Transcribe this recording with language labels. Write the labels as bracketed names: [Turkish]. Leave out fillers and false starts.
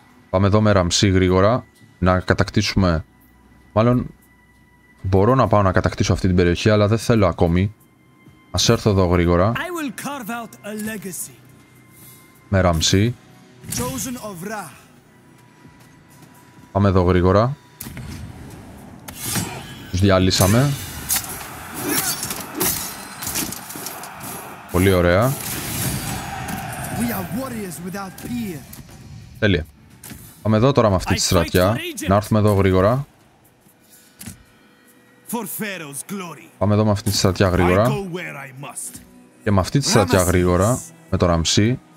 [Greek] Πάμε εδώ με ραμψή γρήγορα να κατακτήσουμε. Μάλλον μπορώ να πάω να κατακτήσω αυτή την περιοχή, αλλά δεν θέλω ακόμη. Ας έρθω εδώ γρήγορα. [English] I will carve out a legacy. [Greek] Με ραμψή. [English] Chosen of Ra. [Greek] Πάμε εδώ γρήγορα. Τους διαλύσαμε. Πολύ ωραία. [English] We are warriors without fear. [Greek] Τέλεια. Πάμε εδώ τώρα με αυτή τη στρατιά. Να έρθουμε εδώ γρήγορα. [English] For Pharaoh's glory. [Greek] Πάμε εδώ με αυτή τη στρατιά γρήγορα. [English] I go where I must. [Greek] Και με αυτή τη στρατιά Ramesses. Γρήγορα. Με το Ramsey.